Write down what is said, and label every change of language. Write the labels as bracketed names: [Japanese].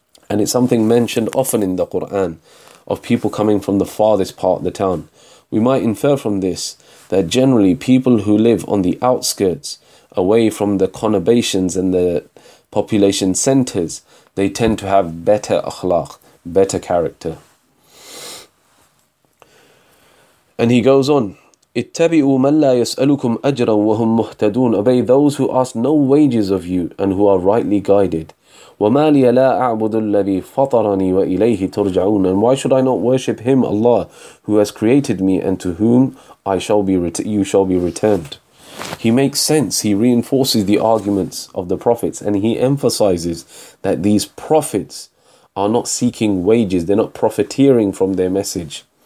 [English] And it's something mentioned often in the Quran of people coming from the farthest part of the town. We might infer from this that generally people who live on the outskirts, away from the conurbations and the population centers, they tend to have better akhlaq, better character. And he goes on, [Arabic] اتبعوا من لا يسألكم أجرا وهم مهتدون. [English] Obey those who ask no wages of you and who are rightly guided. [Arabic] وما لي لا أعبد الذي فطرني وإليه ترجعون. [English] And why should I not worship him, Allah, who has created me and to whom I shall be you shall be returned. He makes sense, he reinforces the arguments of the prophets, and he emphasizes that these prophets are not seeking wages, they're not profiteering from their message.